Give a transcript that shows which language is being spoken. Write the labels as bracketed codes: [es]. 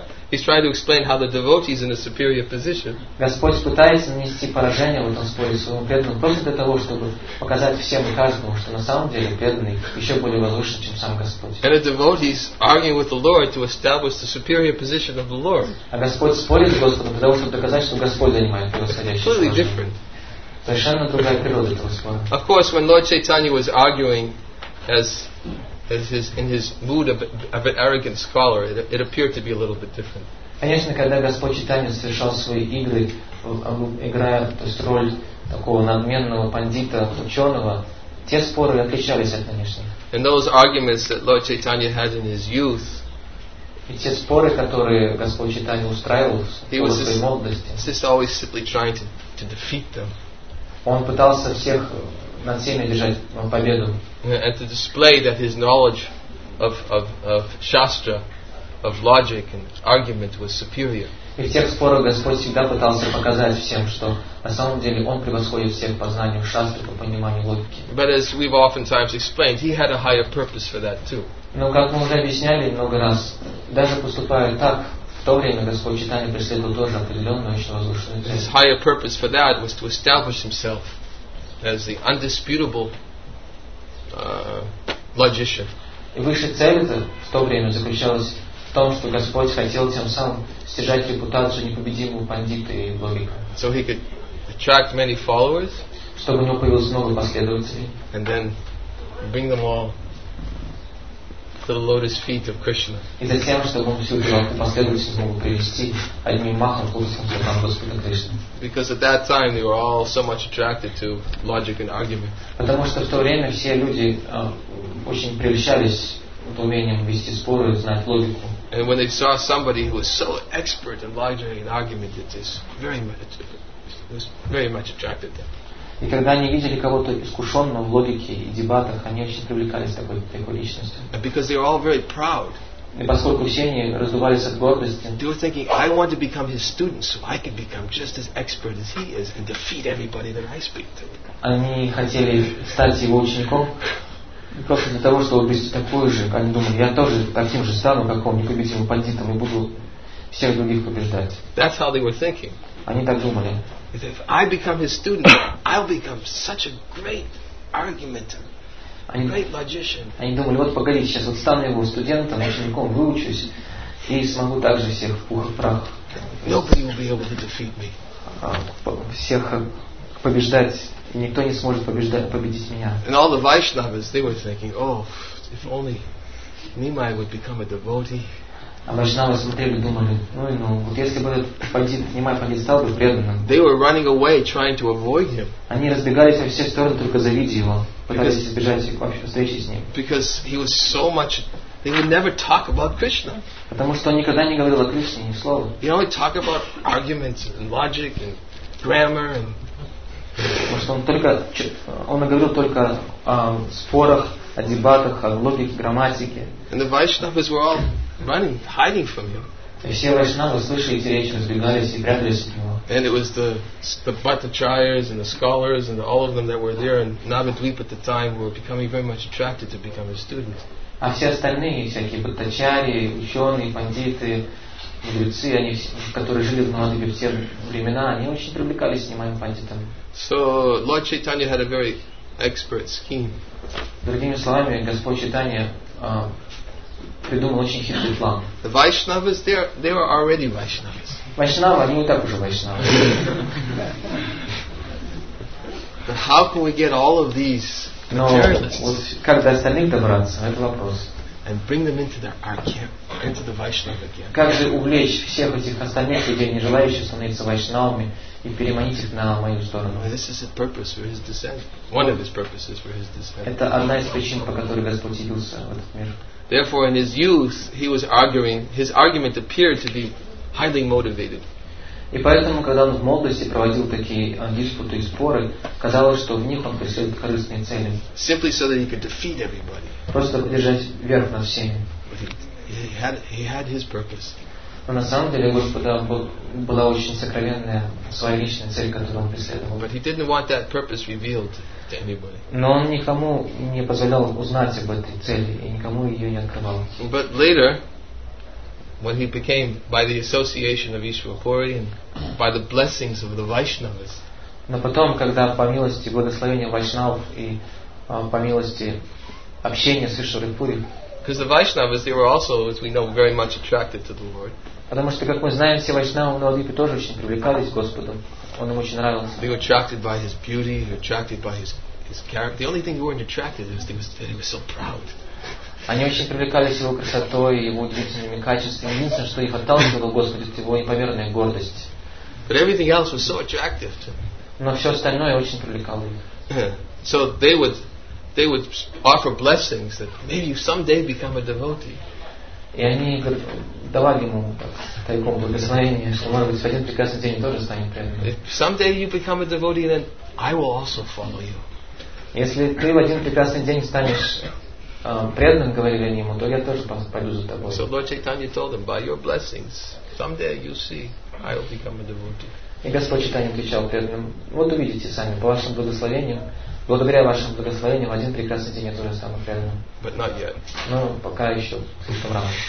[en] He's trying to explain how the devotee is in a superior position. [ru] Господь пытается нанести поражение в этом споре своему преданному просто для того, чтобы показать всем и каждому, что на самом деле преданный еще более возвышен, чем сам Господь. [en] And a devotee is arguing with the Lord to establish the superior position of the Lord. [ru] А Господь спорит с Господом для того, чтобы доказать, что Господь занимает превосходящее положение. [en] Completely different. [ru] Совершенно другая природа этого спора. [en] Of course, when Lord Chaitanya was arguing as his, in his mood of an arrogant scholar, it appeared to be a little bit different. [ru] Конечно, когда Господь Читания совершал свои игры, играя то есть роль такого надменного пандита, ученого, те споры отличались от нынешних. [en] And those arguments that Lord Chaitanya had in his youth, [ru] и те споры, которые Господь Читания устраивал в своей молодости, [en] he was always simply trying to defeat them. [ru] Он пытался всех над всеми держать победу. [en] And to display that his knowledge of shastra, of logic and argument was superior. [ru] И в тех спорах Господь всегда пытался показать всем, что на самом деле он превосходит всех по знанию шастры, по пониманию логики. [en] But as we've oftentimes explained, he had a higher purpose for that too. [ru] Но как мы уже объясняли много раз, даже поступая так, в то время Господь Читания преследовал тоже определенную очень возвышенную цель. [en] His higher purpose for that was to establish himself as the undisputable logician. [ru] И высшая цель это в то время заключалась в том, что Господь хотел тем самым стяжать репутацию непобедимого пандита и логика. [en] So he could attract many followers. [ru] Чтобы у него появилось много последователей. [en] And then bring them all to the lotus feet of Krishna. [ru] И затем, чтобы он всю эту последовательность мог привести одним махом к лотосам ногам Господа Кришны. [en] Because at that time they were all so much attracted to logic and argument. [ru] Потому что в то время все люди очень привлекались умением вести споры, знать логику. [en] And when they saw somebody who was so expert in logic and argument, it just very much attracted them. [ru] И когда они видели кого-то искушенного в логике и дебатах, они очень привлекались такой личностью. [en] Because they were all very proud. [ru] И поскольку все они раздувались от гордости, [en] they were thinking, I want to become his student, so I can become just as expert as he is and defeat everybody that I speak to. [ru] Они хотели стать его учеником просто для того, чтобы быть такой же. Они думали, я тоже таким же стану, как он, непобедимым бандитом, и буду всех других побеждать. [en] That's how they were thinking. [ru] Они так думали. [en] If I become his student, I'll become such a great argumenter, a great logician. [ru] Они думали, вот погоди, сейчас вот стану его студентом, учеником, выучусь и смогу также всех в пух и прах. [en] Nobody will be able to defeat me. [ru] Всех побеждать, никто не сможет победить меня. [en] And all the Vaishnavas, they were thinking, oh, if only Nimai would become a devotee. [ru] А Вайшнавы смотрели, думали, ну, вот если бы этот бандит, Нимай Пандит, стал бы преданным. [en] They were running away, trying to avoid him. [ru] Они разбегались во все стороны, только завидя его, пытались избежать вообще встречи с ним. [en] Because he was so much, they would never talk about Krishna. [ru] Потому что он никогда не говорил о Кришне ни слова. [en] He only talked about arguments and logic and grammar and. [ru] Потому что он говорил только о спорах, о дебатах, о логике, грамматике. [en] And the Vaishnavas were all running, hiding from him. [ru] Все вайшнавы слышали эти речи, разбегались и прятались от него. [en] And it was the Bhattacharyas and the scholars and all of them that were there in Navadvip at the time were becoming very much attracted to become his students. [ru] А все остальные всякие Бхаттачарьи, ученые, пандиты, мудрецы, они, которые жили в Навадвипе в те времена, они очень привлекались к Нимаем пандитам. [en] So Lord Chaitanya had a very expert scheme. [ru] Другими словами, Господь Читания придумал очень хитрый план. [en] The Vaishnavas, they were already Vaishnavas. [ru] Vaishnava, они не так уже Vaishnava. [en] But how can we get all of these materialists? [ru] Но вот как до остальных добраться? Это вопрос. [en] and bring them into their arcane, into the Vaishnava again. [ru] Как же увлечь всех этих остальных людей, не желающих становиться вайшнавами, и переманить их на мою сторону? [en] This is a purpose for his descent. One of his purposes for his descent. [ru] Это одна из причин, по которой Господь явился в этот мир. [en] Therefore, in his youth, he was arguing. His argument appeared to be highly motivated. [ru] И поэтому, когда он в молодости проводил такие диспуты и споры, казалось, что в них он преследует корыстные цели. [en] Simply so that he could defeat everybody. [ru] Просто держать верх над всеми. [en] He had his purpose. [ru] Но на самом деле, Господа была очень сокровенная своя личная цель, которую он преследовал. [en] But he didn't want that purpose revealed to anybody. [ru] Но он никому не позволял узнать об этой цели и никому ее не открывал. [en] But later, when he became, by the association of Ishwarpuri and by the blessings of the Vaishnavas. [ru] Но потом, когда по милости благословения Вайшнавов и по милости общения с Ишварипури. [en] Because the Vaishnavas, they were also, as we know, very much attracted to the Lord. [ru] Потому что, как мы знаем, все Вайшнавы на Адвипе тоже очень привлекались к Господу. Он им очень нравился. [en] They were attracted by his beauty, attracted by his character. The only thing they weren't attracted to is they were so proud. [ru] Они очень привлекались его красотой, его удивительными качествами. Единственное, что их отталкивало, Господи, это его неповерная гордость. [en] But everything else was so attractive to them. [ru] Но все остальное очень привлекало их. [en] So they would offer blessings that maybe you someday become a devotee. [ru] И они давали ему тайком благословение, что, может быть, в один прекрасный день тоже станет преданным. [en] If someday you become a devotee, then I will also follow you. [ru] Если ты в один прекрасный день станешь преданным, говорили они ему, то я тоже пойду за тобой. [en] So Lord Chaitanya told him, by your blessings, someday you see, I will become a devotee. [ru] И Господь Чайтанья отвечал преданным, вот увидите сами, по вашим благословениям, благодаря вашим благословениям, в один прекрасный день я тоже стану преданным. [en] But not yet. [ru] Но пока еще слишком рано.